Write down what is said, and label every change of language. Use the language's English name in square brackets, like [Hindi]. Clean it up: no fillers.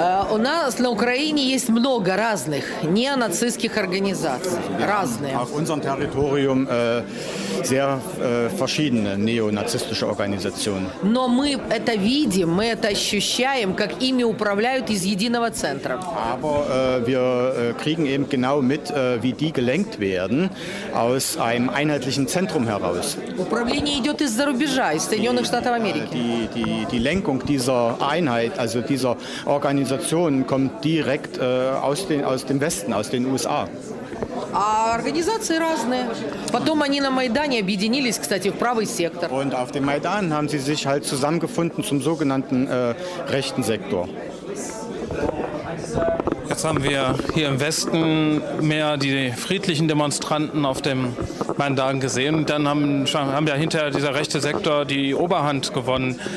[Russian] У нас на Украине есть много разных неонацистских организаций, разные. [German] Auf unserem Territorium sehr verschiedene neonazistische Organisationen. [Russian] Но мы это видим, мы это ощущаем, как ими управляют из единого центра. [German] Aber wir kriegen eben genau mit, wie die gelenkt werden aus einem einheitlichen Zentrum heraus. [Russian] Управление идет из-за рубежа, из Соединенных Штатов Америки. [German] Die Lenkung dieser Einheit, also dieser Organisation, kommt direkt aus dem Westen, aus den USA. [Russian] А организации разные. Потом они на Майдане объединились, кстати, в правый сектор. [German] Und auf dem Maidan haben sie sich halt zusammengefunden zum sogenannten rechten Sektor. Jetzt haben wir hier im Westen mehr die friedlichen Demonstranten auf dem Maidan gesehen. Dann haben ja hinterher dieser rechte Sektor die Oberhand gewonnen.